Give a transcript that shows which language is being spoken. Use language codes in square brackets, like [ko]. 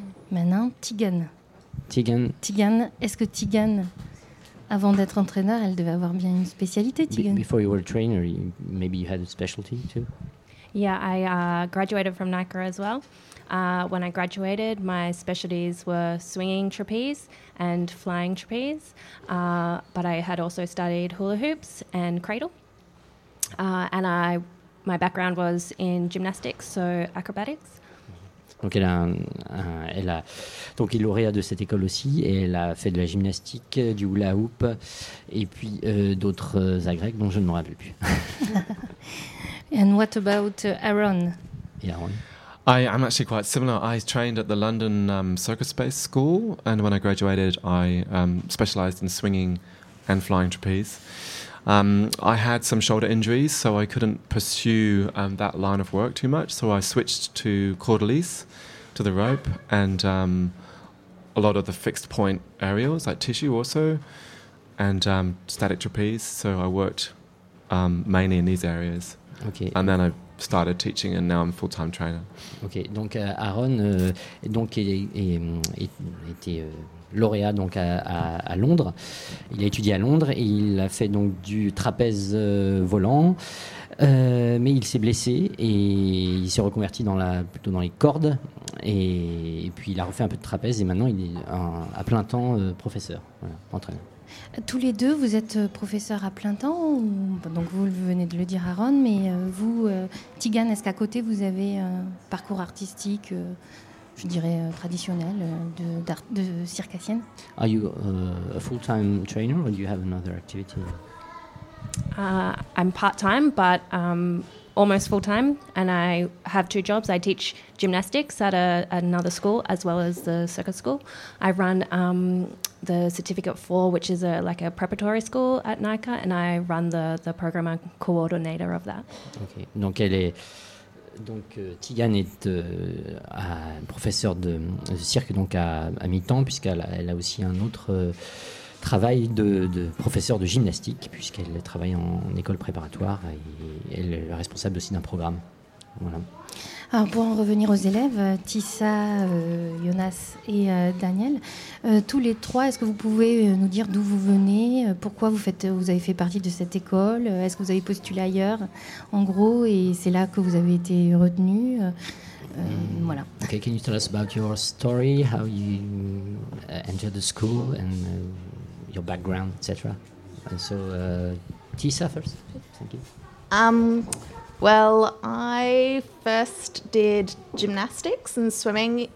[fr] Maintenant Tegan. Tegan, est-ce que Tegan, avant d'être entraîneur, elle devait avoir bien une spécialité, Tegan? [en] Before you were a trainer, maybe you had a specialty too. Yeah, I graduated from NICA as well. When I graduated, my specialties were swinging trapeze and flying trapeze, but I had also studied hula hoops and cradle. And my background was in gymnastics, so acrobatics. [fr] Donc elle a, donc elle est lauréate de cette école aussi et elle a fait de la gymnastique, du hula hoop et puis d'autres agrègues dont je ne me rappelle plus. [en] And what about Aaron? Yeah, Aaron. I'm actually quite similar. I trained at the London Circus Space School and when I graduated, I specialized in swinging and flying trapeze. I had some shoulder injuries, so I couldn't pursue that line of work too much. So I switched to cordelis, to the rope, and a lot of the fixed point aerials, like tissue also, and static trapeze. So I worked mainly in these areas. Okay. And then I started teaching, and now I'm a full-time trainer. [fr] Okay, donc Aaron donc était lauréat donc à Londres. Il a étudié à Londres et il a fait donc du trapèze volant, mais il s'est blessé et il s'est reconverti plutôt dans les cordes et puis il a refait un peu de trapèze et maintenant il est à plein temps professeur, voilà, entraîneur. Tous les deux, vous êtes professeur à plein temps ou, donc vous venez de le dire Aaron, mais vous, Tegan, est-ce qu'à côté vous avez un parcours artistique je dirais traditionnel de circassienne. [en] Are you a full-time trainer or do you have another activity? I'm part-time but almost full-time and I have two jobs. I teach gymnastics at another school as well as the circus school. I run the certificate 4 which is a preparatory school at NICA and I run the program coordinator of that. Okay. [fr] Donc elle est Tegan est professeur de cirque donc à mi-temps puisqu'elle a aussi un autre travail de professeur de gymnastique puisqu'elle travaille en école préparatoire et elle est responsable aussi d'un programme. Voilà. Alors pour en revenir aux élèves, Tissa, Jonas et Daniel, tous les trois, est-ce que vous pouvez nous dire d'où vous venez, pourquoi vous avez fait partie de cette école, est-ce que vous avez postulé ailleurs, en gros, et c'est là que vous avez été retenu. Voilà. [en] Okay, can you tell us about your story, how you entered the school and your background, etc. And so, Tissa first. Thank you. Well, I first did gymnastics and swimming.